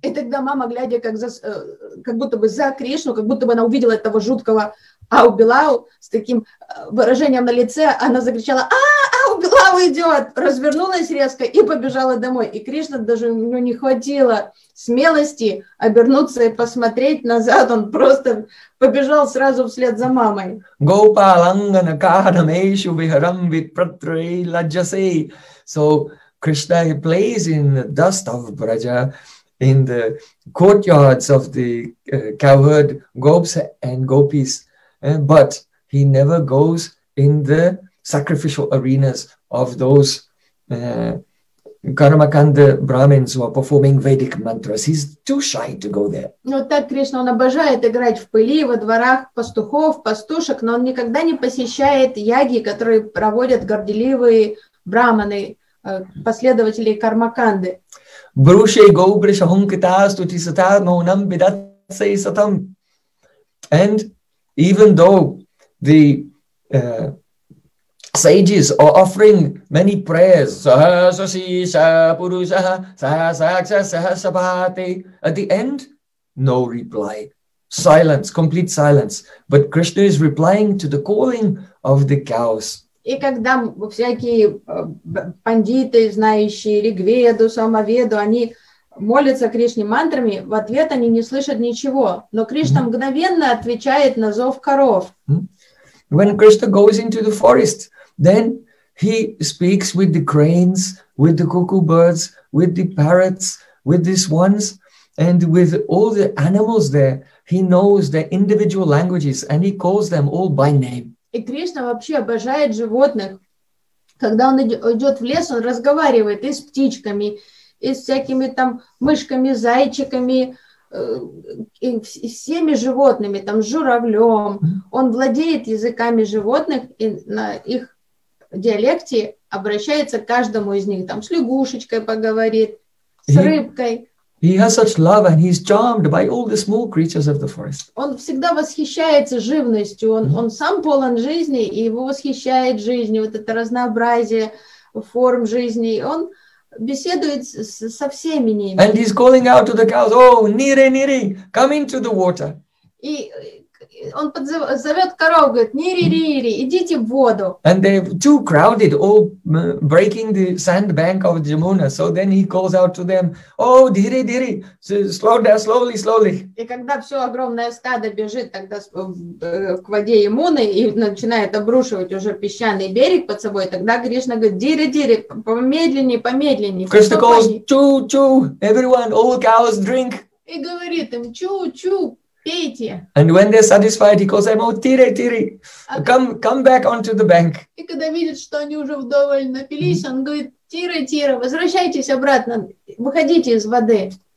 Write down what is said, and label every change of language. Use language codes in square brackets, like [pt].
[ru] И тогда мама, глядя как будто бы за Кришну, как будто бы она увидела этого жуткого ау билау с таким выражением на лице, она закричала: ау билау идет!" Развернулась резко и побежала домой. И Кришна даже ему не хватило смелости обернуться и посмотреть назад. Он просто побежал сразу вслед за мамой. [sa] Гопаланга кахарамешу вихарам витпратрей ладжасей. [en] So Krishna plays in the dust of Braja, in the courtyards of the cowherd gopis and gopis. But he never goes in the sacrificial arenas of those Karmakanda Brahmins who are performing Vedic mantras. He's too shy to go there. [ru] Но так Кришна, он обожает играть в пыли во дворах пастухов, пастушек, но он никогда не посещает яги, которые проводят горделивые брахманы, последователи Кармаканды. [sa] Бруше гоубриша хункита стути сата моунам бидатсе сатам. [en] And even though the sages are offering many prayers, at the end, no reply. Silence, complete silence. But Krishna is replying to the calling of the cows. [ru] И когда всякие пандиты, знающие Ригведу, Самаведу, они молятся Кришне мантрами, в ответ они не слышат ничего. Но Кришна мгновенно отвечает на зов коров. [en] When Krishna goes into the forest, then he speaks with the cranes, with the cuckoo birds, with the parrots, with the swans, and with all the animals there. He knows their individual languages and he calls them all by name. [ru] И Кришна вообще обожает животных. Когда он идет в лес, он разговаривает и с птичками, и с всякими там мышками, зайчиками, и всеми животными, там с журавлем. Он владеет языками животных и на их диалекте обращается к каждому из них, там с лягушечкой поговорит, с рыбкой. [en] He has such love and he's charmed by all the small creatures of the forest. [ru] Он всегда восхищается живностью, он сам полон жизни, и его восхищает жизнь, вот это разнообразие форм жизни, он беседует со всеми ними. [en] And he's calling out to the cows, "Oh, nire, nire, come into the water." [ru] И он зовет коров, говорит, Нири-Рири, идите в воду. [en] And they were too crowded, all breaking the sandbank of Jamuna. So then he calls out to them, oh, Diri-Diri, slow down, slowly, slowly. [ru] И когда все огромное стадо бежит тогда к воде Ямуны и начинает обрушивать уже песчаный берег под собой, тогда Кришна говорит, Дири-Дири, помедленнее, помедленнее. [en] Кришна calls, choo-choo, everyone, all cows drink. [ru] И говорит им, choo-choo. Пейте. [en] And when they're satisfied, he calls them, oh, tire, tire, come, come back onto the bank. [ru] И когда видит, что они уже вдоволь напились, он говорит, tire, tire, возвращайтесь обратно, выходите из воды.